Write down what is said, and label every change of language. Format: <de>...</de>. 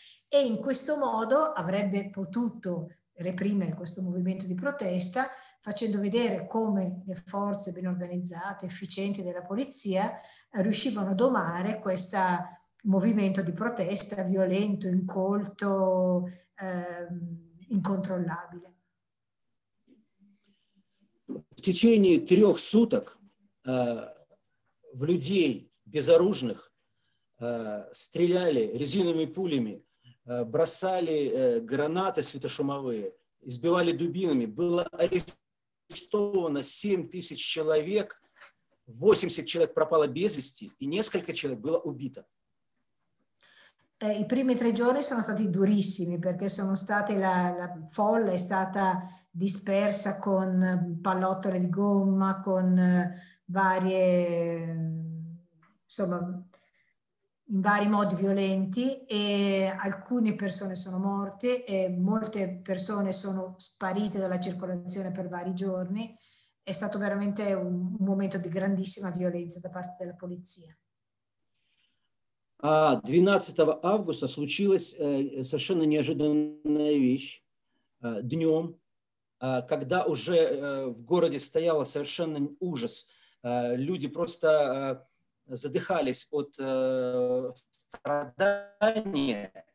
<it>e in questo modo avrebbe potuto reprimere questo movimento di protesta, facendo vedere come le forze ben organizzate, efficienti della polizia riuscivano a domare questo movimento di protesta violento, incolto, incontrollabile.</it> <ru>В течение трех суток в людей безоружных стреляли резиновыми пулями, бросали гранаты светошумовые, избивали дубинами, было арестовано 7 тысяч человек, 80 человек пропало без вести и несколько человек было убито.</ru> <it>I primi tre giorni sono stati durissimi perché sono state la folla è stata dispersa con pallottole di gomma, con varie insomma in vari modi violenti, e alcune persone sono morte e molte persone sono sparite dalla circolazione per vari giorni. È stato veramente un momento di grandissima violenza da parte della polizia.</it> <ru>А 12 августа случилась совершенно неожиданная вещь днем, когда уже в городе стояло совершенно ужас. Люди просто задыхались от страдания.</ru>